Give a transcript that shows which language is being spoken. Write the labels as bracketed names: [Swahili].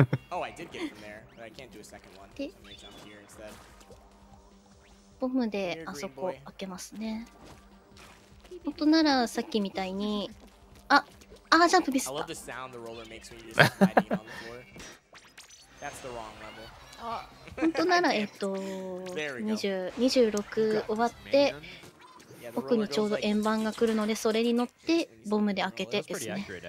[English] Oh, I did get from there, but I can't do a second one. So I'm gonna jump here instead. [Japanese] ボムであそこ開けますね。本当ならさっきみたいに、あ、ジャンプミスった。 [English] I love the sound the roller makes when you're sliding on the floor. That's the wrong level. [Japanese] 本当なら26終わって奥にちょうど円盤が来るのでそれに乗ってボムで開けてですね。